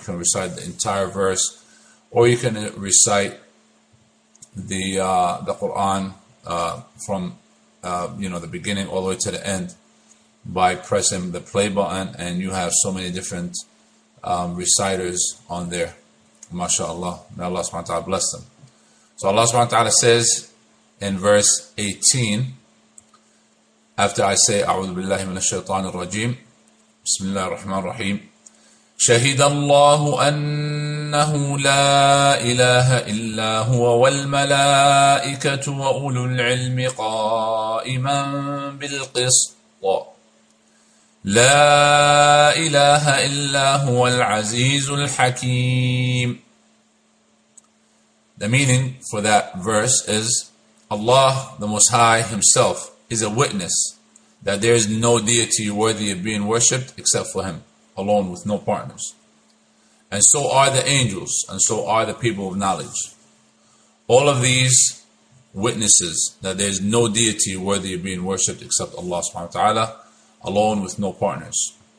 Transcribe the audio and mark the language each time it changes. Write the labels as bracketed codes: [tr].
[en] You can recite the entire verse, or you can recite the Quran from the beginning all the way to the end by pressing the play button, and you have so many different reciters on there. MashaAllah. May Allah subhanahu wa ta'ala bless them. So Allah subhanahu wa ta'ala says in verse 18, after I say A'udhu billahi minash shaitanir rajim, Bismillah ar-Rahman ar-Rahim, [ar] شهد الله أنه لا إله إلا هو والملائكة وأولو العلم قائما بالقسط لا إله إلا هو العزيز الحكيم. [en] The meaning for that verse is Allah the Most High Himself is a witness that there is no deity worthy of being worshipped except for Him alone, with no partners. And so are the angels, and so are the people of knowledge. All of these witnesses that there is no deity worthy of being worshipped except Allah subhanahu wa ta'ala, alone with no partners.